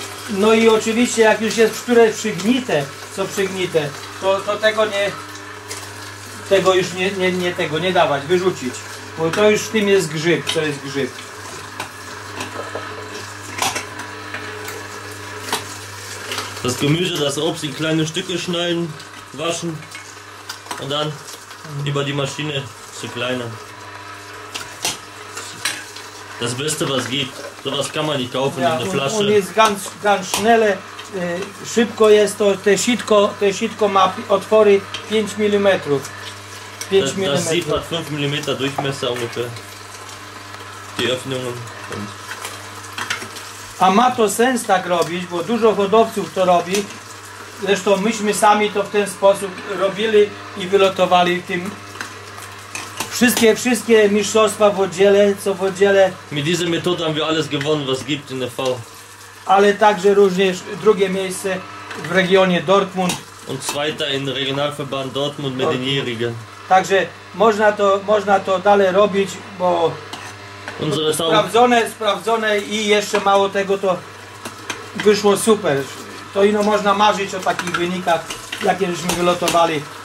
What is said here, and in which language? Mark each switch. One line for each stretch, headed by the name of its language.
Polish: No i oczywiście jak już jest które przygnite, co przygnite, to tego nie... Tego już nie tego nie dawać, wyrzucić. Bo to już w tym jest grzyb, to jest grzyb.
German: Das Gemüse, das Obst in kleine Stücke schneiden, waschen und dann über die Maschine zu kleinern. Das Beste, was gibt. Sowas kann man nicht kaufen in der Flasche. Und jetzt ganz, ganz schnell,
Polish: szybko jest to, te sitko ma otwory 5 mm.
German: Das Sieb hat 5 mm Durchmesser ungefähr. Die Öffnungen und.
Polish: A ma to sens tak robić, bo dużo hodowców to robi. Zresztą myśmy sami to w ten sposób robili i wylotowali tym. Wszystkie mistrzostwa w oddziele, co w oddziele.
German: Mit dieser Methode haben wir alles gewonnen, was gibt in der Fall.
Polish: Ale także również drugie miejsce w regionie Dortmund.
German: Und zweiter in Regionalverband Dortmund mit den Jährigen.
Polish: Także można to dalej robić, bo... Sprawdzone i jeszcze mało tego, to wyszło super. To ino można marzyć o takich wynikach, jakie żeśmy wylotowali.